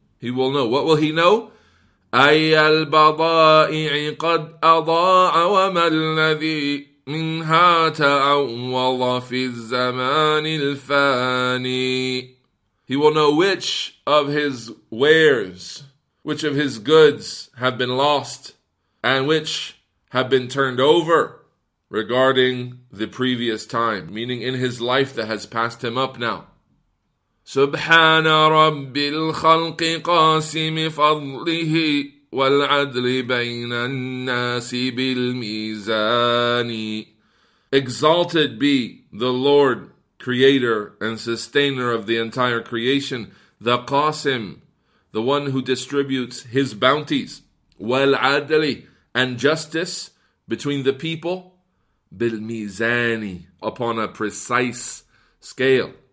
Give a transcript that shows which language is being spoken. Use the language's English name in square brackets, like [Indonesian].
[English] He will know. What will he know? [Arabic] أَيَّ الْبَضَائِعِ قَدْ أَضَاعَ وَمَا الَّذِي مِنْهَا تَأَوَّلَ فِي الزَّمَانِ الْفَانِي. [English] He will know which of his wares, which of his goods have been lost and which have been turned over regarding the previous time, meaning in his life that has passed him up now. [Arabic] سبحان رب الخلق قاسم فضله والعدل بين الناس بالميزان. [English] Exalted be the Lord, creator and sustainer of the entire creation. the Qasim, the one who distributes his bounties, wal adli, and justice between the people, bil mizani, upon a precise scale.